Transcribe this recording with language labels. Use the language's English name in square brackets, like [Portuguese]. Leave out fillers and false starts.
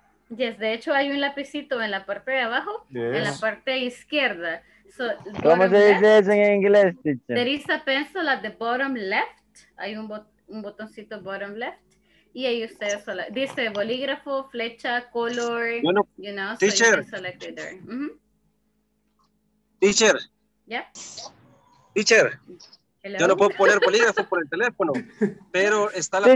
[Spanish] Yes, de hecho hay un lapicito en la parte de abajo, en la parte izquierda. [English] So, [Spanish] ¿cómo se dice eso en inglés, teacher? [English] There is a pencil at the bottom left. [Spanish] Hay un botoncito [English] bottom left. [Spanish] Y ahí usted solo, dice bolígrafo, flecha, color. [English] Bueno, you know, teacher. So you select it there. Mm-hmm. Teacher. Yeah. Teacher. [Spanish] Hello. Yo no puedo poner bolígrafo por el teléfono, pero está la teacher.